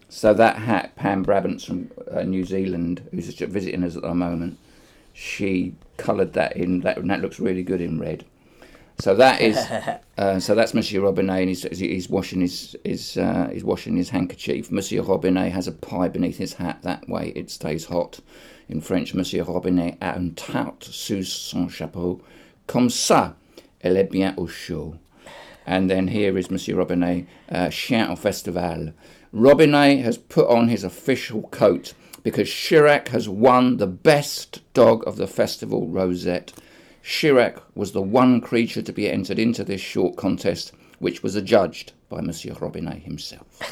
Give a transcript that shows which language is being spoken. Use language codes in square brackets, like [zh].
[en] So that hat, Pam Brabant's from New Zealand, who's just visiting us at the moment, she coloured that in, and that looks really good in red. So that is, so that's Monsieur Robinet, and he's washing his handkerchief. Monsieur Robinet has a pie beneath his hat, that way it stays hot. In French, [fr] Monsieur Robinet a un tout sous son chapeau, comme ça, elle est bien au chaud. [en] And then here is Monsieur Robinet, [fr] chien au festival. [en] Robinet has put on his official coat because Chirac has won the best dog of the festival, Rosette. Chirac was the one creature to be entered into this short contest, which was adjudged by Monsieur Robinet himself.